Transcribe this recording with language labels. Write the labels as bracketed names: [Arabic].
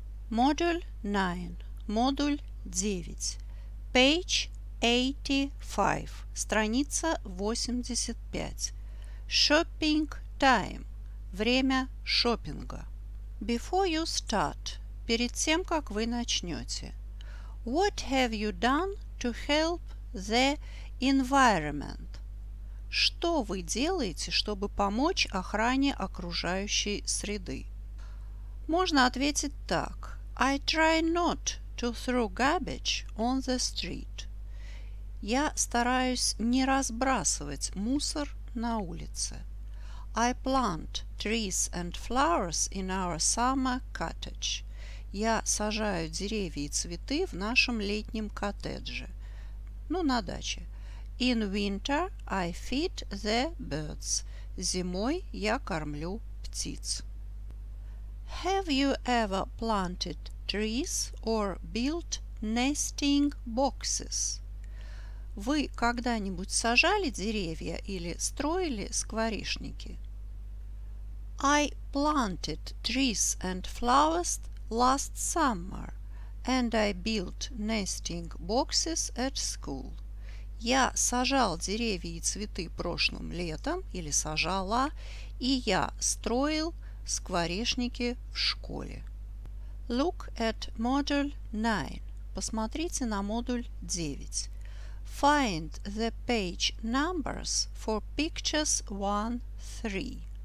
[Russian] Модуль 9. Модуль 9. [English] Page 85. [Russian] Страница 85. [English] Shopping time. [Russian] Время шопинга. [English] Before you start. [Russian] Перед тем, как вы начнете. [English] What have you done to help the environment? [Russian] Что вы делаете, чтобы помочь охране окружающей среды? Можно ответить так. [English] I try not to throw garbage on the street. [Russian] Я стараюсь не разбрасывать мусор на улице. [English] I plant trees and flowers in our summer cottage. [Russian] Я сажаю деревья и цветы в нашем летнем коттедже. Ну, на даче. [English] In winter I feed the birds. [Russian] Зимой я кормлю птиц. [English] Have you ever planted trees or built nesting boxes? [Russian] Вы когда-нибудь сажали деревья или строили скворечники? [English] I planted trees and flowers last summer and I built nesting boxes at school. [Russian] Я сажал деревья и цветы прошлым летом, или сажала, и я строил скворечники в школе. [English] Look at module 9. [Russian] Посмотрите на модуль 9. [English] Find the page numbers for pictures 1-3.